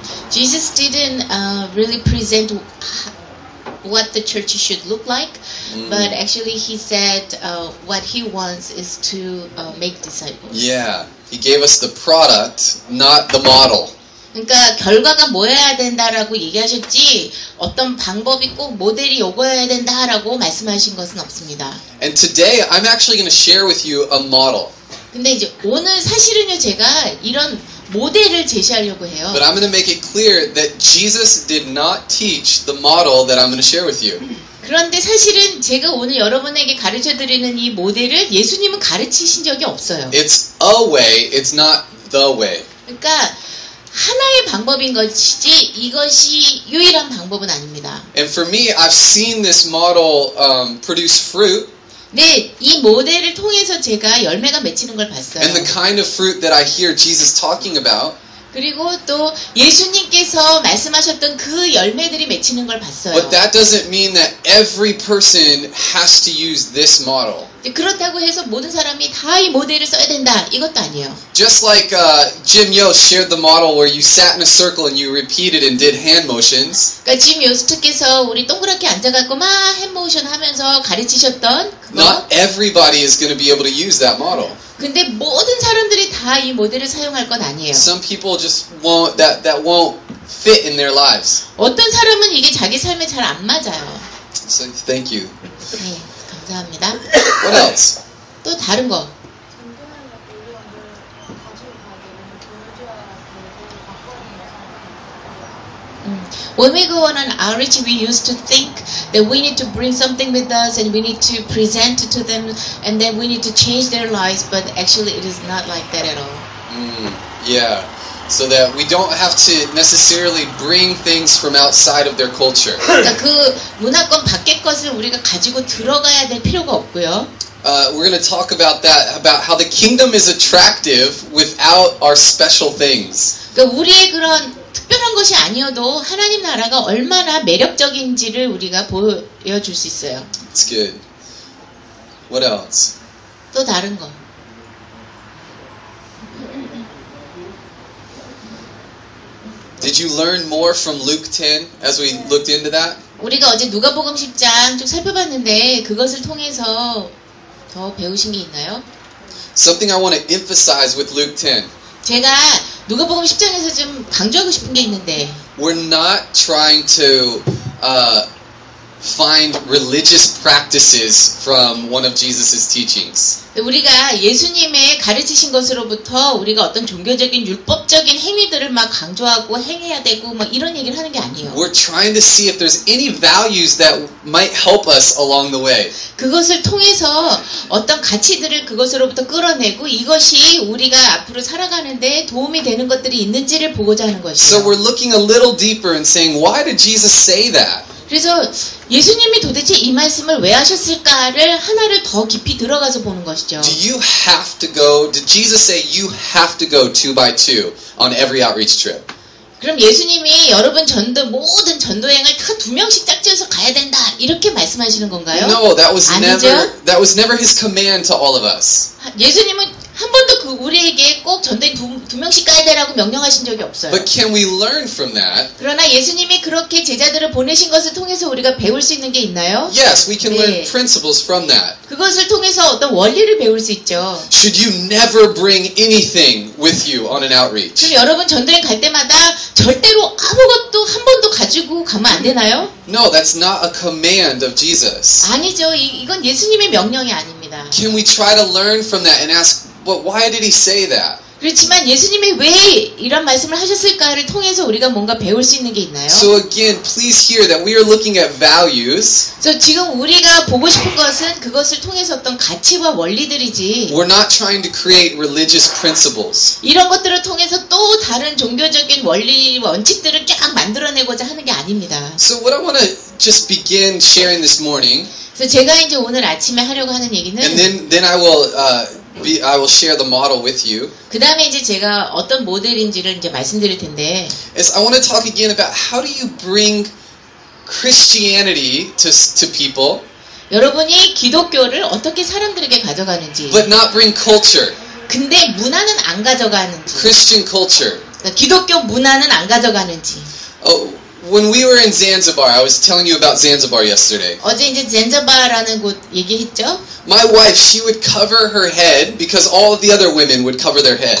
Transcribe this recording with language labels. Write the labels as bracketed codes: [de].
[en] Jesus didn't really present what the church should look like, but actually he said what he wants is to make disciples. Yeah, he gave us the product, not the model. [ko] 그러니까 결과가 뭐여야 된다라고 얘기하셨지 어떤 방법이 꼭 모델이 요구해야 된다라고 말씀하신 것은 없습니다. [en] And today I'm actually going to share with you a model. [ko] 근데 이제 오늘 사실은요 제가 이런 모델을 제시하려고 해요. [en] But I'm going to make it clear that Jesus did not teach the model that I'm going to share with you. [ko] 그런데 사실은 제가 오늘 여러분에게 가르쳐 드리는 이 모델을 예수님은 가르치신 적이 없어요. [en] It's a way, it's not the way. [ko] 그러니까 하나의 방법인 것이지 이것이 유일한 방법은 아닙니다. [en] And for me, I've seen this model produce fruit. [ko] 네, 이 모델을 통해서 제가 열매가 맺히는 걸 봤어요. [en] And the kind of fruit that I hear Jesus talking about. [ko] 그리고 또 예수님께서 말씀하셨던 그 열매들이 맺히는 걸 봤어요. [en] But that doesn't mean that every person has to use this model. [ko] 그렇다고 해서 모든 사람이 다 이 모델을 써야 된다 이것도 아니에요. [en] Just like Jim Yost shared the model where you sat in a circle and you repeated and did hand motions. [ko] 그러니까 Jim Yost께서 우리 동그랗게 앉아갖고 막 [en] hand motion [ko] 하면서 가르치셨던 그거. [en] Not everybody is going to be able to use that model. [ko] 근데 모든 사람들이 다 이 모델을 사용할 건 아니에요. [en] Some people just won't that won't fit in their lives. [ko] 어떤 사람은 이게 자기 삶에 잘 안 맞아요. [en] So, thank you. [ko] 네. 감사합니다. [en] What else? [ko] 또 다른 거. 전도하는 거 가져가고 보여줘야 [en] When we go on an outreach, we used to think that we need to bring something with us and we need to present it to them and then we need to change their lives, but actually it is not like that at all. Yeah, so that we don't have to necessarily bring things from outside of their culture. [ko] 그 문화권 밖의 것을 우리가 가지고 들어가야 될 필요가 없고요. [en] We're going to talk about that, about how the kingdom is attractive without our special things. [ko] 우리의 그런 특별한 것이 아니어도 하나님 나라가 얼마나 매력적인지를 우리가 보여줄 수 있어요. [en] That's good. What else? [ko] 또 다른 거. [en] Did you learn more from Luke 10 as we looked into that? [ko] 우리가 어제 누가복음 10장 좀 살펴봤는데 그것을 통해서 더 배우신 게 있나요? [en] Something I want to emphasize with Luke 10. [ko] 제가 누가복음 10장에서 좀 강조하고 싶은 게 있는데. [en] We're not trying to find religious practices from one of Jesus's teachings. [ko] 우리가 예수님의 가르치신 것으로부터 우리가 어떤 종교적인 율법적인 행위들을 막 강조하고 행해야 되고 막 이런 얘기를 하는 게 아니에요. [en] We're trying to see if there's any values that might help us along the way. [ko] 그것을 통해서 어떤 가치들을 그것으로부터 끌어내고 이것이 우리가 앞으로 살아가는데 도움이 되는 것들이 있는지를 보고자 하는 것이죠. [en] So we're looking a little deeper and saying, why did Jesus say that? [ko] 그래서 예수님이 도대체 이 말씀을 왜 하셨을까를 하나를 더 깊이 들어가서 보는 것이죠. [en] Do you have to go? Did Jesus say you have to go two by two on every outreach trip? [ko] 그럼 예수님이 여러분 전도 모든 전도 여행을 다 두 명씩 짝지어서 가야 된다 이렇게 말씀하시는 건가요? [en] No, that was [ko] 아니죠? [en] never that was never his command to all of us. [ko] 예수님은 한 번도 그 우리에게 꼭 전도에 두 명씩 가야 되라고 명령하신 적이 없어요. [en] But can we learn from that? [ko] 그러나 예수님이 그렇게 제자들을 보내신 것을 통해서 우리가 배울 수 있는 게 있나요? [en] Yes, we can [ko] 네. [en] learn principles from that. [ko] 그것을 통해서 어떤 원리를 배울 수 있죠. [en] Should you never bring anything with you on an outreach? [ko] 그럼 여러분 전도에 갈 때마다 절대로 아무것도 한 번도 가지고 가면 안 되나요? [en] No, that's not a command of Jesus. [ko] 아니죠. 이건 예수님의 명령이 아닙니다. [en] Can we try to learn from that and ask But why did he say that? [ko] 그렇지만 예수님이 왜 이런 말씀을 하셨을까를 통해서 우리가 뭔가 배울 수 있는 게 있나요? [en] So again, please hear that we are looking at values. [ko] So 지금 우리가 보고 싶은 것은 그것을 통해서 어떤 가치와 원리들이지. [en] We're not trying to create religious principles. [ko] 이런 것들을 통해서 또 다른 종교적인 원리 원칙들을 쫙 만들어내고자 하는 게 아닙니다. [en] So what I want to just begin sharing this morning. [ko] 그래서 제가 이제 오늘 아침에 하려고 하는 얘기는. [en] And then I will. I will share the model with you. [ko] 그 다음에 이제 제가 어떤 모델인지를 이제 말씀드릴 텐데. [en] Is I want to talk again about how do you bring Christianity to people? [ko] 여러분이 기독교를 어떻게 사람들에게 가져가는지. [en] But not bring culture. [ko] 근데 문화는 안 가져가는지. [en] Christian culture. [ko] 기독교 문화는 안 가져가는지. Oh. [en] When we were in Zanzibar, I was telling you about Zanzibar yesterday. [ko] 어제 이제 Zanzibar라는 곳 얘기했죠? [en] My wife, she would cover her head because all of the other women would cover their head.